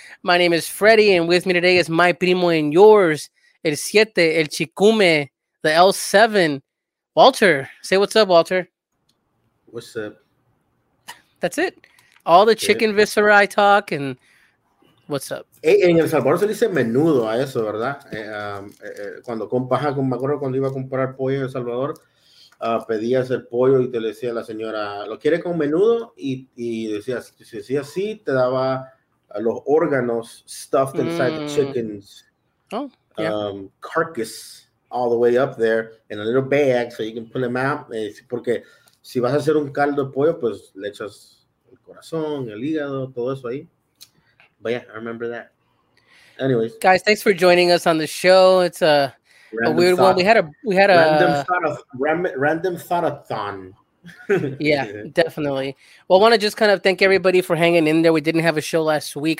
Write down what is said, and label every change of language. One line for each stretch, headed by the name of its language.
English: My name is Freddy, and with me today is my primo and yours, El Siete, El Chicume, the L7, Walter. Say what's up, Walter. What's up? That's it. All the chicken viscera I talk, and what's up?
Spanish: En El Salvador se dice menudo a eso, ¿verdad? Cuando compas, me acuerdo cuando iba a comprar pollo en El Salvador. Pedías el pollo y te decía la señora, ¿lo quieres con menudo? Y decías, si decías sí, te daba los órganos
English: stuffed inside the chicken's carcass all the way up there in a little bag so you can pull them out.
Spanish: Porque si vas a hacer un caldo de pollo, pues le echas el corazón, el hígado, todo eso ahí.
English: But yeah, I remember that. Anyways. Guys, thanks for joining us on the show. It's a... Random a weird thought. One. We had a random thought-a-thon. Yeah, definitely. Well, I want to just kind of thank everybody for hanging in there. We didn't have a show last week.